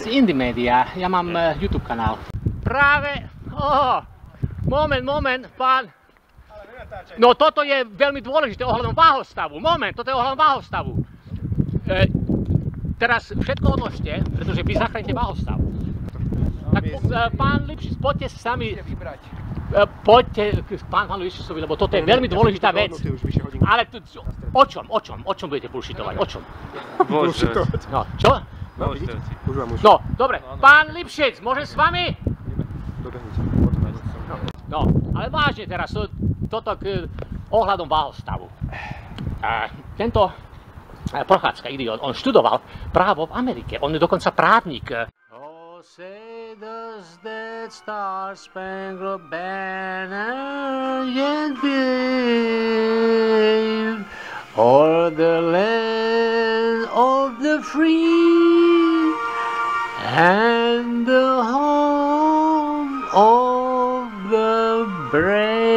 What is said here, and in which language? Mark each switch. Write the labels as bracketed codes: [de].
[sk] Z Indy Media, ja mám YouTube kanál. Práve, moment, pán. No toto je veľmi dôležité ohľadom váhostavu. Moment, toto je ohľadom váhostavu. Teraz všetko odložte, pretože vy zachránite váhostav. Tak pán Lipšic, poďte s nami. Poďte s pánom Lipšicovi, lebo toto je veľmi dôležitá vec. Ale tu, o čom budete bullshitovať? O čom? Bullshitovať. No, čo? No, vidíte? Už vám už. No, dobre. Pán Lipšic, môžem s vami? No, ale vážne teraz, toto k ohľadom váhostavu. Tento prochádzka idiot, on študoval právo v Amerike, on je dokonca právnik. [en] Oh, say does that star-spangled banner yet wave o'er the land of the free and the home of brave.